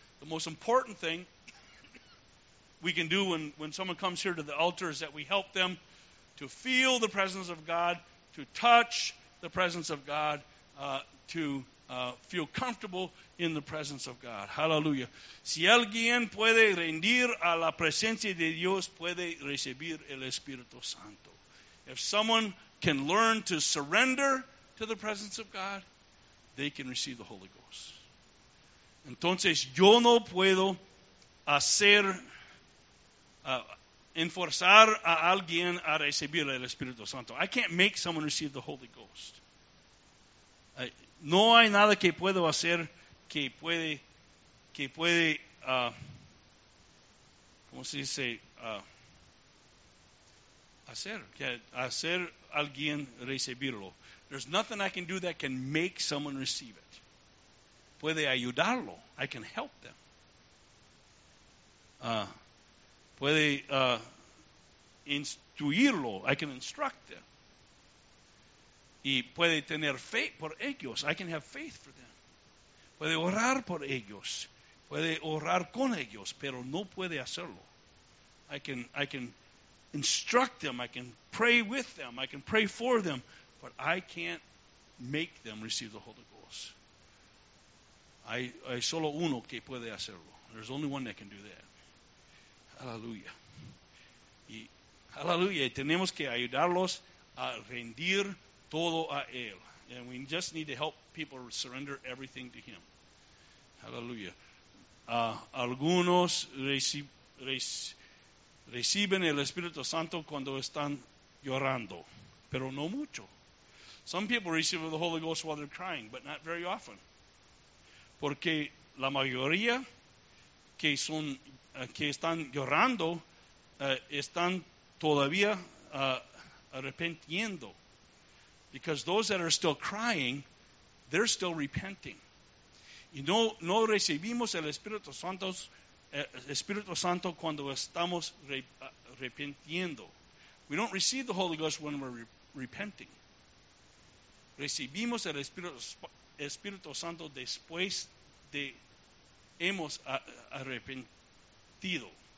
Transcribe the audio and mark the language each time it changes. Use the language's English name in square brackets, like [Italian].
[English] The most important thing we can do when someone comes here to the altar is that we help them to feel the presence of God, to touch the presence of God, to feel comfortable in the presence of God. Hallelujah. [Spanish] Si alguien puede rendir a la presencia de Dios, puede recibir el Espíritu Santo. [English] If someone can learn to surrender to the presence of God, they can receive the Holy Ghost. [Spanish] Entonces, yo no puedo hacer, enforzar a alguien a recibir el Espíritu Santo. [English] I can't make someone receive the Holy Ghost. [Spanish] No hay nada que puedo hacer que puede ¿cómo se dice? Hacer alguien recibirlo. [English] There's nothing I can do that can make someone receive it. [Spanish] Puede ayudarlo. [English] I can help them. [Spanish] Puede instruirlo. [English] I can instruct them. [Spanish] Y puede tener fe por ellos. [English] I can have faith for them. [Spanish] Puede orar por ellos. Puede orar con ellos, pero no puede hacerlo. [English] I can instruct them. I can pray with them. I can pray for them. But I can't make them receive the Holy Ghost. [Spanish] Hay solo uno que puede hacerlo. [English] There's only one that can do that. Aleluya. [Spanish] Y aleluya, tenemos que ayudarlos a rendir todo a Él. [English] And we just need to help people surrender everything to Him. [Spanish] Aleluya. Algunos reciben el Espíritu Santo cuando están llorando, pero no mucho. [English] Some people receive the Holy Ghost while they're crying, but not very often. [Spanish] Porque la mayoría que están llorando están todavía arrepintiendo. [English] Because those that are still crying, they're still repenting. [Spanish] Y no recibimos el Espíritu Santo cuando estamos arrepintiendo. [English] We don't receive the Holy Ghost when we're repenting. [Spanish] Recibimos el Espíritu Santo después de hemos arrepentido.